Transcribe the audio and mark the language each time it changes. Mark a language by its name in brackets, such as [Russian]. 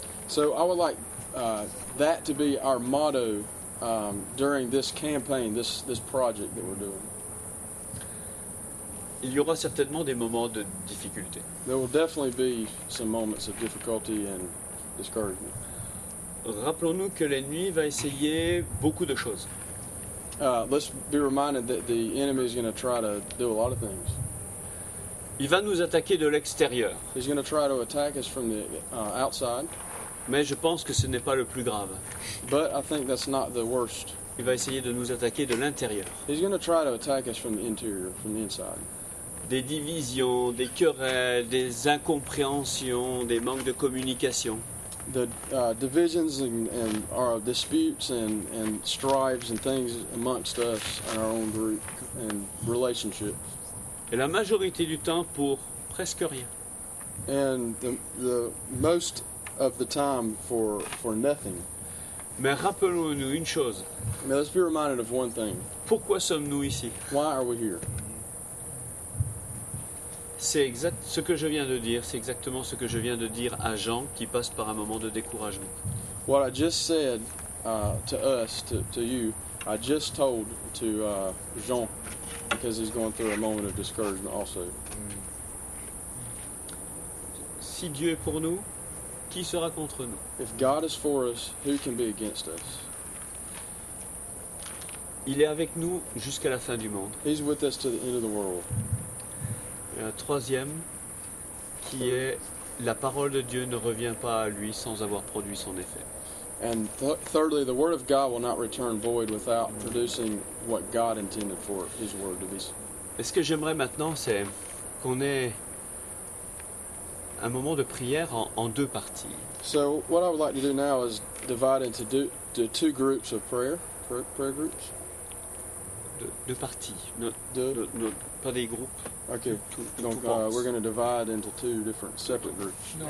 [English] So I would like that to be our motto during this campaign, this project that we're doing. [French] Il y aura certainement des moments de difficulté. [English] There will definitely be some moments of difficulty and discouragement. [French] Rappelons-nous que l'ennemi va essayer beaucoup de choses. [English] Let's be reminded that the enemy is going to try to do a lot of things. [French] Il va nous attaquer de l'extérieur. [English] He's going to try to attack us from the outside. [French] Mais je pense que ce n'est pas le plus grave. [English] But I think that's not the worst. [French] Il va essayer de nous attaquer de l'intérieur. [English] He's going to try to attack us from the interior, from the inside. [French] Des divisions, des querelles, des incompréhensions, des manques de communication. [English] The divisions and our disputes and strives and things amongst us and our own group and relationships. [French] Et la majorité du temps pour presque rien. [English] And the most of the time for nothing. [French] Mais rappelons-nous une chose. [English] Now let's be reminded of one thing. [French] Pourquoi sommes-nous ici? [English] Why are we here? [French] C'est exact ce que je viens de dire, c'est exactement ce que je viens de dire à Jean qui passe par un moment de découragement. [English] What I just said to us, to you, I just told to Jean, because he's going through a moment of discouragement also. [French] Si Dieu est pour nous, qui sera contre nous? [English] If God is for us, who can be against us? [French] Il est avec nous jusqu'à la fin du monde. [English] He's with us to the end of the world. [French] Et un troisième, qui est la parole de Dieu ne revient pas à lui sans avoir produit son effet. [English] And thirdly, the word of God will not return void without producing what God intended for His word to be. [French] Et ce que j'aimerais maintenant, c'est qu'on ait un moment de prière en deux parties. [English] So what I would like to do now is divide into two groups of prayer groups. [French] Deux parties. Pas des groupes. [English] Ok. Donc, we're going to divide into two different separate groups.